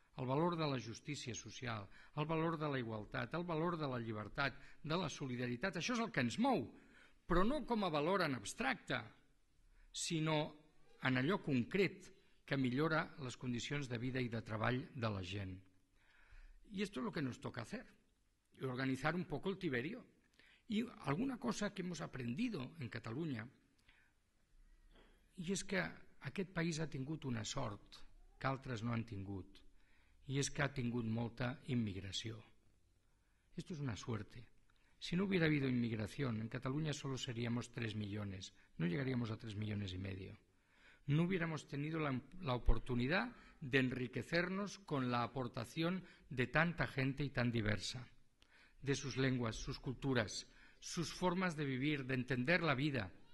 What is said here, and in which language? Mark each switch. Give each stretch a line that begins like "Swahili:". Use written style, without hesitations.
Catalan: El valor de la justícia social, el valor de la igualtat, el valor de la llibertat, de la solidaritat, això és el que ens mou, però no com a valor en abstracte, sinó en allò concret que millora les condicions de vida i de treball de la gent.
Spanish: I esto es lo que nos toca hacer, organizar un poco el tiberio. Y alguna cosa que hemos aprendido en Cataluña, y es que
Catalan: aquest país ha tingut una sort que altres no han tingut, i és que ha tingut molta immigració.
Spanish: Esto es una suerte. Si no hubiera habido inmigración, en Cataluña solo seríamos 3 millones, no llegaríamos a 3 millones y medio. No hubiéramos tenido la oportunidad de enriquecernos con la aportación de tanta gente y tan diversa, de sus lenguas, sus culturas, sus formas de vivir, de entender la vida.